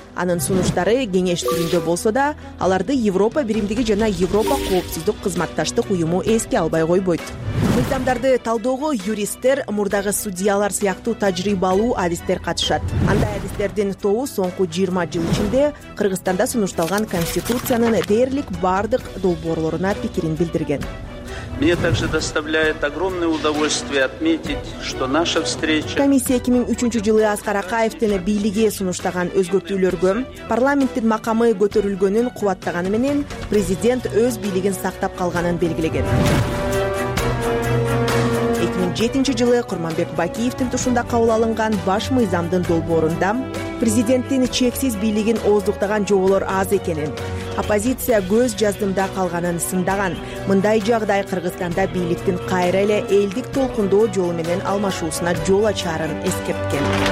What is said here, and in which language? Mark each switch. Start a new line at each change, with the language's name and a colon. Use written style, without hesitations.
Kyrgyz: Анын сунуштары кеңеш түрүндө болсо да, аларды Европа биримдиги жана Европа коопсуздук кызматташтык уюму эске албай койбойт. Мыйзамдарды талдоого юристтер, мурдагы судьялар сыяктуу тажрыйбалуу адистер катышат. Андай адистердин тобу соңку 20 жыл ичинде Кыргызстанда сунушталган конституциянын дээрлик бардык долбоорлоруна пикирин билдирген.
Russian: Мне также доставляет огромное удовольствие отметить, что наша встреча.
Kyrgyz: Комиссия 2003-жылы Аскар Акаевтин бийлиги сунуштаган өзгөртүүлөргө парламенттин макамы көтөрүлгөнүн кубаттаганы менен президент өз бийлигин сактап калганын белгилеген. 2007-жылы Курманбек Бакиевтин тушунда кабыл алынган баш мыйзамдын долбоорунда президенттин чексиз бийлигин ооздуктаган жоболор аз экенин, оппозиция көз жаздымда калганын сындаган, мындай жагдай Кыргызстанда бийликтин кайра эле элдик толкундоо жолу менен алмашуусуна жол ачарын эскерткен.